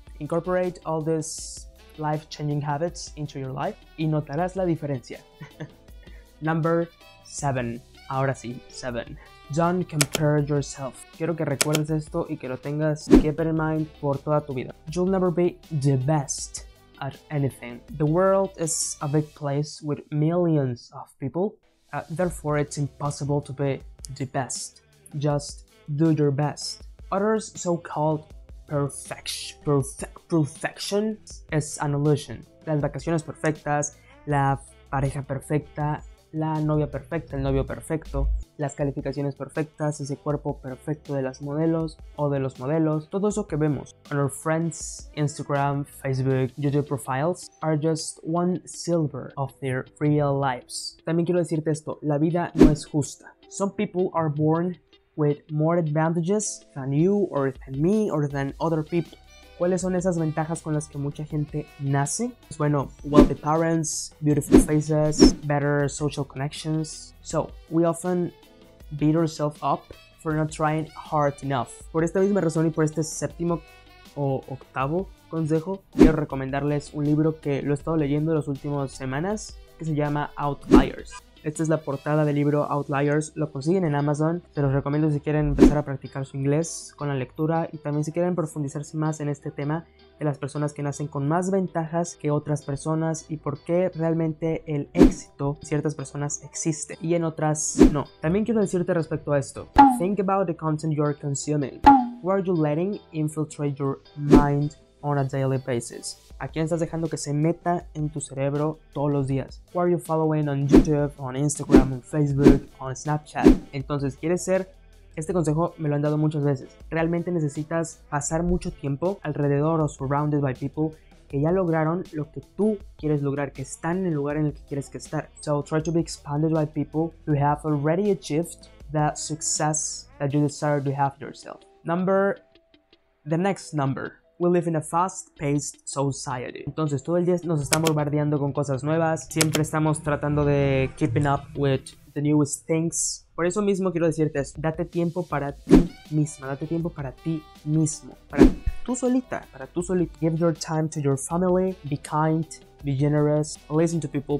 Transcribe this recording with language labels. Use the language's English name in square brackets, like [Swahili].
[English] Incorporate all these life-changing habits into your life [Spanish] y notarás la diferencia. [English] Number 7. [Spanish] Ahora sí, [English] 7. Don't compare yourself. [Spanish] Quiero que recuerdes esto y que lo tengas [English] keep in mind [Spanish] por toda tu vida. [English] You'll never be the best at anything. The world is a big place with millions of people. Therefore, it's impossible to be the best. Just do your best. Others so-called perfection is an illusion. [Spanish] Las vacaciones perfectas, la pareja perfecta, la novia perfecta, el novio perfecto, las calificaciones perfectas, ese cuerpo perfecto de las modelos o de los modelos, todo eso que vemos [English] on our friends, Instagram, Facebook, YouTube profiles are just one sliver of their real lives. [Spanish] También quiero decirte esto, la vida no es justa. [English] Some people are born with more advantages than you or than me or than other people. [Spanish] ¿Cuáles son esas ventajas con las que mucha gente nace? Pues bueno, [English] wealthy parents, beautiful faces, better social connections. So, we often beat ourselves up for not trying hard enough. [Spanish] Por esta misma razón y por este séptimo o octavo consejo, quiero recomendarles un libro que lo he estado leyendo las últimas semanas, que se llama Outliers. Esta es la portada del libro Outliers, lo consiguen en Amazon. Se los recomiendo si quieren empezar a practicar su inglés con la lectura y también si quieren profundizarse más en este tema de las personas que nacen con más ventajas que otras personas y por qué realmente el éxito en ciertas personas existe y en otras no. También quiero decirte respecto a esto. [English] Think about the content you're consuming. Who are you letting infiltrate your mind on a daily basis? [Spanish] ¿A quién estás dejando que se meta en tu cerebro todos los días? [English] Who are you following on YouTube, on Instagram, on Facebook, on Snapchat? [Spanish] Entonces, ¿quieres ser? Este consejo me lo han dado muchas veces. Realmente necesitas pasar mucho tiempo alrededor o [English] surrounded by people [Spanish] que ya lograron lo que tú quieres lograr, que están en el lugar en el que quieres que estar. [English] So, try to be expanded by people who have already achieved the success that you desire to have yourself. Number, the next number. We live in a fast-paced society. [Spanish] Entonces, todo el día nos están bombardeando con cosas nuevas. Siempre estamos tratando de [English] keeping up with the newest things. [Spanish] Por eso mismo quiero decirte esto. Date tiempo para ti misma. Date tiempo para ti mismo. Para tú solita. Para tú solita. [English] Give your time to your family. Be kind. Be generous. Listen to people.